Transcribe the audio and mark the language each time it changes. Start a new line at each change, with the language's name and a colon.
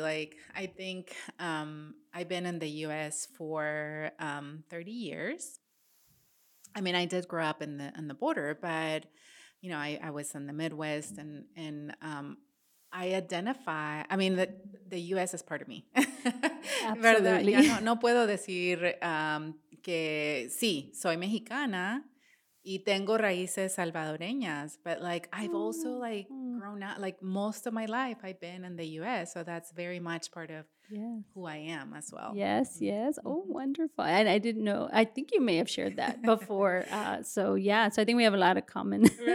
English: Like, I think I've been in the U.S. for 30 years. I mean, I did grow up in the border, but, you know, I was in the Midwest, and I identify, I mean, the U.S. is part of me. Absolutely.
Spanish: No puedo decir que sí, soy Mexicana. Y tengo raíces salvadoreñas,
English: but like I've also like grown up, like most of my life I've been in the U.S., so that's very much part of who I am as well. Yes, mm-hmm. yes. Oh, wonderful. And I didn't know, I think you may have shared that before. So I think we have a lot of common